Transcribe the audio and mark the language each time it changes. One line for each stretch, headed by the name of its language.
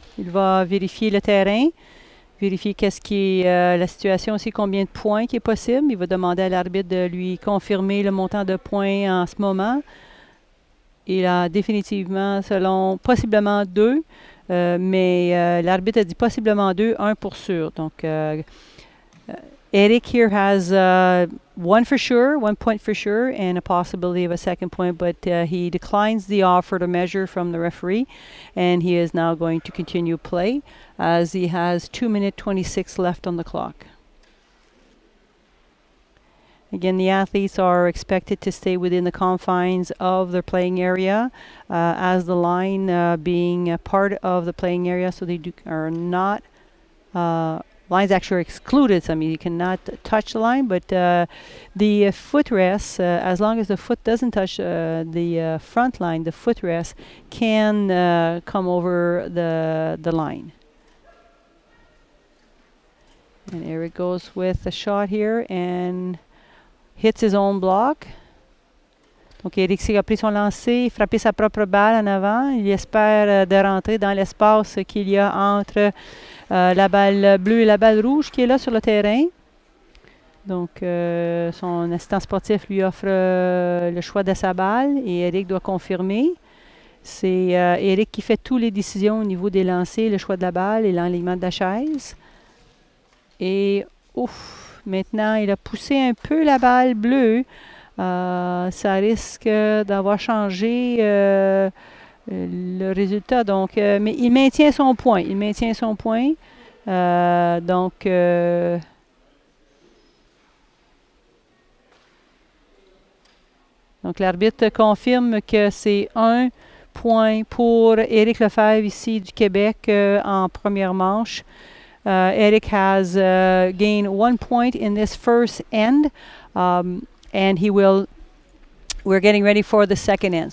French: Il va vérifier le terrain, vérifier qu'est-ce qui est la situation aussi, combien de points qui est possible. Il va demander à l'arbitre de lui confirmer le montant de points en ce moment. Il a définitivement, selon possiblement deux, mais l'arbitre a dit possiblement deux, un pour sûr.
English: Donc, Éric here has one for sure, one point for sure, and a possibility of a second point, but he declines the offer to measure from the referee, and he is now going to continue play as he has 2:26 left on the clock. Again, the athletes are expected to stay within the confines of their playing area as the line being a part of the playing area, so they are not... Lines actually excluded. I mean, you cannot touch the line, but the footrest, as long as the foot doesn't touch the front line, the footrest can come over the line. And Éric goes with a shot here and hits his own block.
French: Donc Éric a pris son lancer, frappé sa propre balle en avant. Il espère de rentrer dans l'espace qu'il y a entre la balle bleue et la balle rouge qui est là sur le terrain. Donc son assistant sportif lui offre le choix de sa balle et Éric doit confirmer. C'est Éric qui fait toutes les décisions au niveau des lancers, le choix de la balle et l'alignement de la chaise. Et ouf, maintenant il a poussé un peu la balle bleue. Ça risque d'avoir changé le résultat. Donc, mais il maintient son point. Il maintient son point. Donc, l'arbitre confirme que c'est un point pour Éric Lefebvre ici du Québec en première manche.
English: Éric has gained one point in this first end. And he will, we're getting ready for the second end.